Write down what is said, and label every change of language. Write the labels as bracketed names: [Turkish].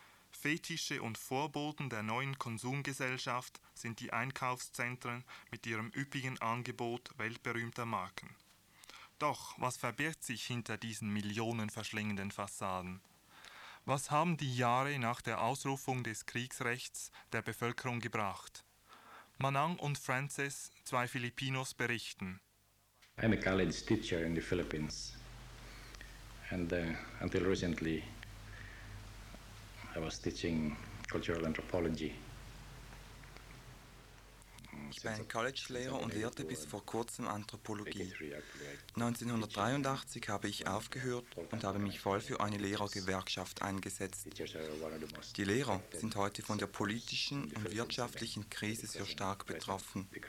[German] Fetische und Vorboten der neuen Konsumgesellschaft sind die Einkaufszentren mit ihrem üppigen Angebot weltberühmter Marken. Doch was verbirgt sich hinter diesen millionenverschlingenden Fassaden? Was haben die Jahre nach der Ausrufung des Kriegsrechts der Bevölkerung gebracht? Manang und Francis, zwei Filipinos, berichten. [English] I'm a college teacher in the Philippines. And until recently, I was teaching cultural anthropology. [German] Ich war ein College-Lehrer und lehrte bis vor kurzem Anthropologie. 1983 habe ich aufgehört und habe mich voll für eine Lehrergewerkschaft eingesetzt. Die Lehrer sind heute von der politischen und wirtschaftlichen Krise sehr stark betroffen.